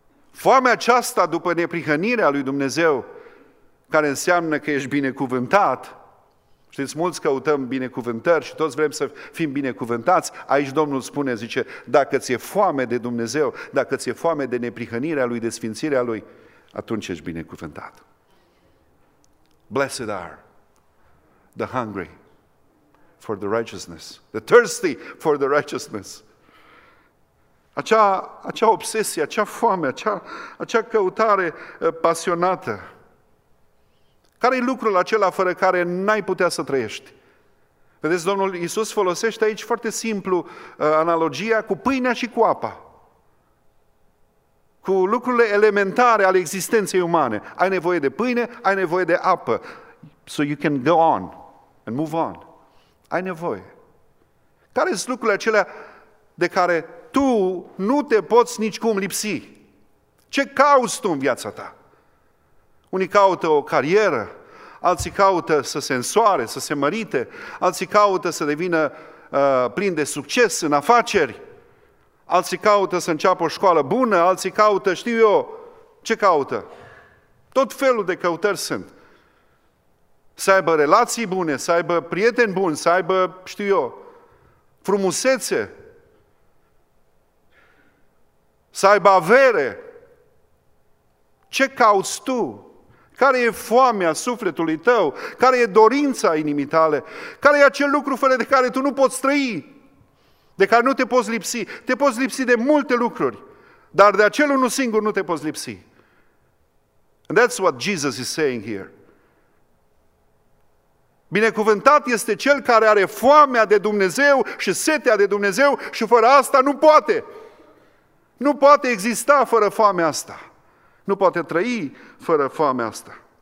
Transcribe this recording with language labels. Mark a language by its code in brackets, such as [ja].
[ro] Foamea aceasta după neprihănirea lui Dumnezeu, care înseamnă că ești binecuvântat, știți, mulți căutăm binecuvântări și toți vrem să fim binecuvântați, aici Domnul spune, zice, dacă ți-e foame de Dumnezeu, dacă ți-e foame de neprihănirea Lui, de sfințirea Lui, atunci ești binecuvântat. [en] Blessed are the hungry for the righteousness, the thirsty for the righteousness. [ro] Acea obsesie, acea foame, acea căutare pasionată. Care e lucrul acela fără care n-ai putea să trăiești? Vedeți, Domnul Iisus folosește aici foarte simplu analogia cu pâinea și cu apa. Cu lucrurile elementare ale existenței umane. Ai nevoie de pâine, ai nevoie de apă. [en] So you can go on and move on. [ro] Ai nevoie. Care sunt lucrurile acelea de care tu nu te poți nicicum lipsi? Ce cauți tu în viața ta? Unii caută o carieră, alții caută să se însoare, să se mărite, alții caută să devină plin de succes în afaceri, alții caută să înceapă o școală bună, alții caută, știu eu, ce caută? Tot felul de căutări sunt. să aibă relații bune, să aibă prieteni buni, să aibă, știu eu, frumusețe, să aibă avere. Ce cauți tu? Care e foamea sufletului tău? Care e dorința inimii tale? Care e acel lucru fără de care tu nu poți trăi? De care nu te poți lipsi? Te poți lipsi de multe lucruri, dar de acel unul singur nu te poți lipsi. [en] And that's what Jesus is saying here. [ro] Binecuvântat este cel care are foamea de Dumnezeu și setea de Dumnezeu și fără asta nu poate. Nu poate exista fără foamea asta. Nu poate trăi fără foamea asta.